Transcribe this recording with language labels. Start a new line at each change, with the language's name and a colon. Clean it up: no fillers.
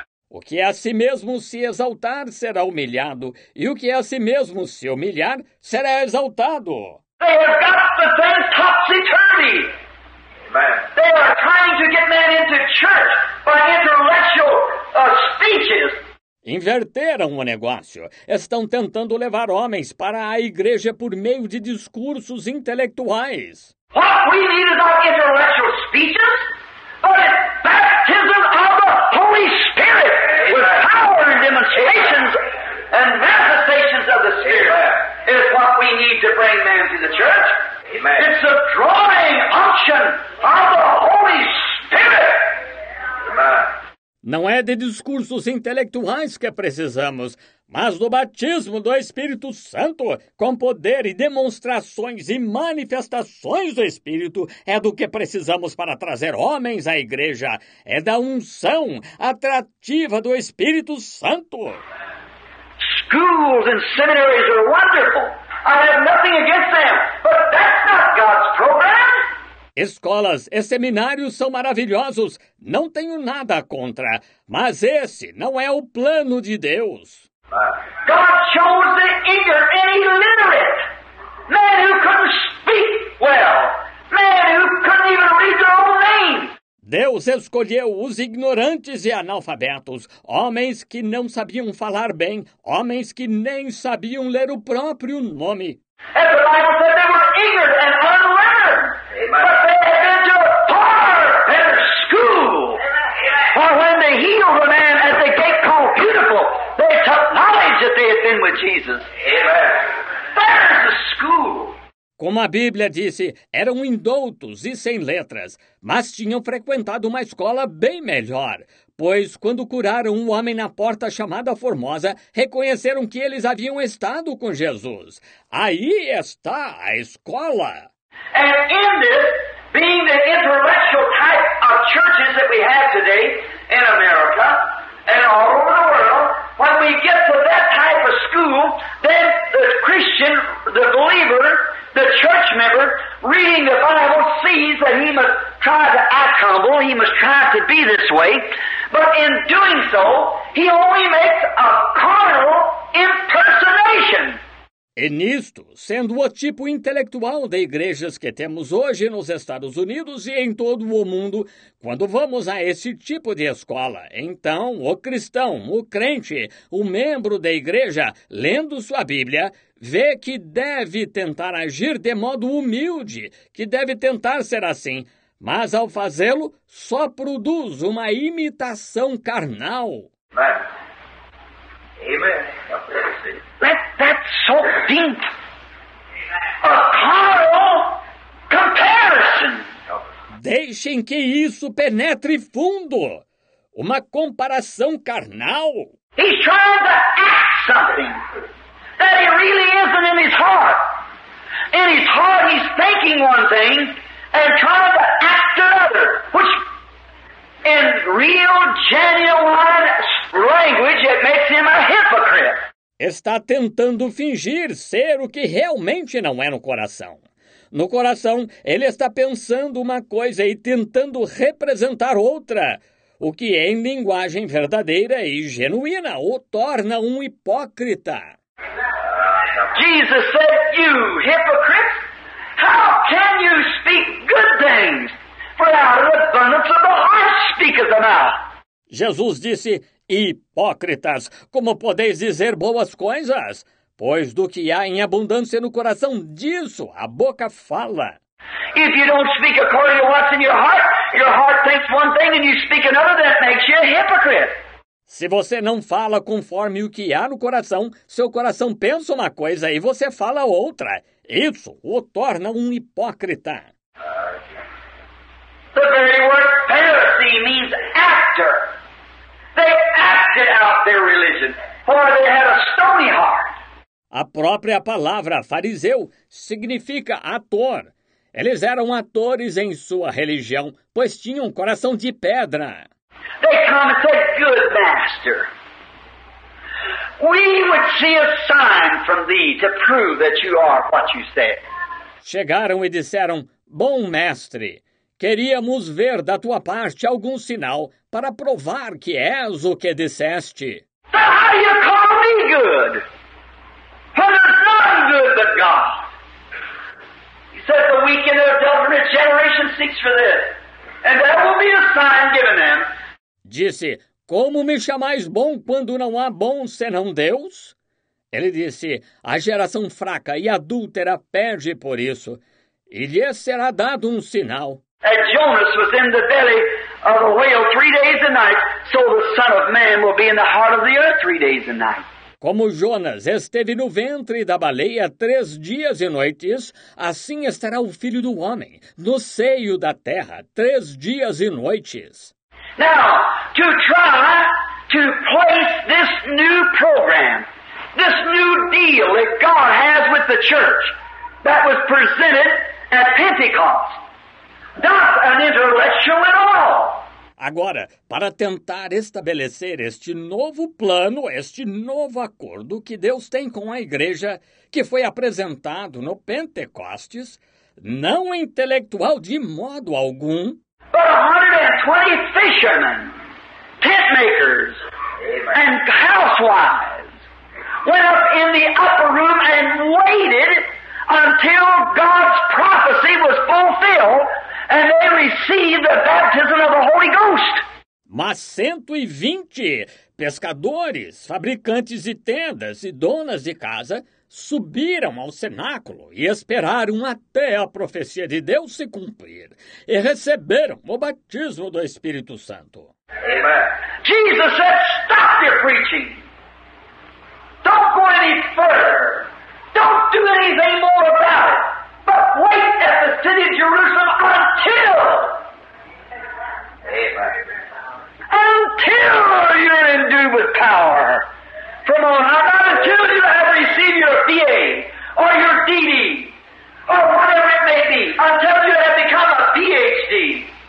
Portuguese: O que a si mesmo se exaltar será humilhado, e o que a si mesmo se humilhar será exaltado.
English: They have got the thing topsy-turvy. Amen. They are trying to get men into church by intellectual speeches.
Portuguese: Inverteram o negócio. Estão tentando levar homens para a igreja por meio de discursos intelectuais.
English: What we need is not intellectual speeches, but it's baptism of the Holy Spirit. Amen. With power and demonstrations. Amen. And manifestations of the Spirit. Amen. Is what we need to bring men to the church. Amen. It's the drawing unction of the Holy Spirit. Amen.
Portuguese: Não é de discursos intelectuais que precisamos, mas do batismo do Espírito Santo, com poder e demonstrações e manifestações do Espírito, é do que precisamos para trazer homens à igreja. É da unção atrativa do Espírito Santo.
English: Schools and seminaries are wonderful. I have nothing against them, but that's not God's program.
Portuguese: Escolas e seminários são maravilhosos. Não tenho nada contra, mas esse não é o plano de Deus.
English: God chose the ignorant and illiterate. Men who couldn't speak well. Men who couldn't even read their own name.
Portuguese: Deus escolheu os ignorantes e analfabetos, homens que não sabiam falar bem, homens que nem sabiam ler o próprio nome.
English: And the Bible said they were ignorant and unlearned. But they had been to a part of their school. For when they healed a man at the gate called beautiful. They took knowledge that they had been with Jesus. Amen. There is the school.
Portuguese: Como a Bíblia disse, eram indoutos e sem letras, mas tinham frequentado uma escola bem melhor. Pois, quando curaram um homem na porta chamada Formosa, reconheceram que eles haviam estado com Jesus. Aí está a escola.
English: And in this, being the intellectual type of churches that we have today in America and all over the world, when we get to that type of school, then the Christian, the believer, the church member, reading the Bible, sees that he must try to act humble, he must try to be this way. But in doing so, he only makes a carnal impersonation.
Portuguese: E nisto, sendo o tipo intelectual de igrejas que temos hoje nos Estados Unidos e em todo o mundo, quando vamos a esse tipo de escola, então o cristão, o crente, o membro da igreja, lendo sua Bíblia, vê que deve tentar agir de modo humilde, que deve tentar ser assim, mas ao fazê-lo, só produz uma imitação carnal. Amém.
English: Let that soak deep. A carnal comparison.
Portuguese: Deixem que isso penetre fundo. Uma comparação carnal.
English: He's trying to act something that he really isn't in his heart. In his heart, he's thinking one thing and trying to act another, which in real, genuine language, it makes him a hypocrite.
Portuguese: Está tentando fingir ser o que realmente não é no coração. No coração, ele está pensando uma coisa e tentando representar outra, o que em linguagem verdadeira e genuína o torna um hipócrita.
English: Jesus said, you hypocrite, how can you speak good things? For out of the abundance of the heart speaketh the mouth.
Portuguese: Jesus disse, hipócritas, como podeis dizer boas coisas? Pois do que há em abundância no coração, disso a boca fala.
English: If you don't speak according to what's in your heart thinks one thing and you speak another, that makes you a hypocrite.
Portuguese: Se você não fala conforme o que há no coração, seu coração pensa uma coisa e você fala outra. Isso o torna um hipócrita.
English: The very word Pharisee means actor. They acted out their religion, for they had a stony heart.
Portuguese: A própria palavra fariseu significa ator. Eles eram atores em sua religião, pois tinham um coração de pedra.
English: They come and said, good master, we would see a sign from thee to prove that you are what you said.
Portuguese: Chegaram e disseram, bom mestre, queríamos ver da tua parte algum sinal para provar que és o que disseste.
English: So how you call me good? When there's none good but God. He said the weak and adulterous generation seeks for this. And that will be a sign given them.
Portuguese: Disse, como me chamais bom quando não há bom senão Deus? Ele disse, a geração fraca e adúltera pede por isso. E lhe será dado um sinal.
English: And Jonas was in the belly of a whale 3 days and nights, so the Son of Man will be in the heart of the earth 3 days and nights.
Portuguese: Como Jonas esteve no ventre da baleia 3 dias e noites, assim estará o Filho do Homem no seio da terra 3 dias e noites.
English: Now, to try to place this new program, this new deal that God has with the church that was presented at Pentecost, not an intellectual at all.
Portuguese: Agora, para tentar estabelecer este novo plano, este novo acordo que Deus tem com a igreja, que foi apresentado no Pentecostes, não intelectual de modo algum.
English: But 120 fishermen, tent makers, and housewives went up in the upper room and waited until God's prophecy was fulfilled. And they received the baptism of the Holy Ghost.
Portuguese: Mas 120 pescadores, fabricantes de tendas e donas de casa subiram ao cenáculo e esperaram até a profecia de Deus se cumprir e receberam o batismo do Espírito Santo.
English: Amen. Jesus said, stop your preaching. Don't go any further. Don't do anything more about it. But wait at the city of Jerusalem until. Amen. Until you're endued with power. From on high, not until you have received your DA or your DD or whatever it may be, until you have become a PhD.